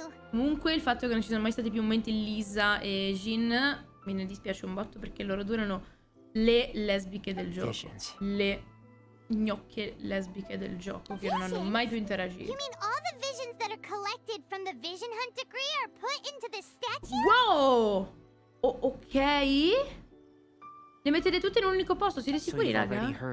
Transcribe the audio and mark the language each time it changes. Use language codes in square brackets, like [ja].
[it] Comunque il fatto che non ci sono mai stati più momenti Lisa e Jin mi ne dispiace un botto, perché loro due erano le lesbiche del gioco. Le gnocche lesbiche del gioco che non hanno mai più interagito. [en] You mean all the visions that are collected from the Vision Hunt degree are put into the statue? Wow! Ok. [it] Le mettete tutte in un unico posto, siete sicuri, raga?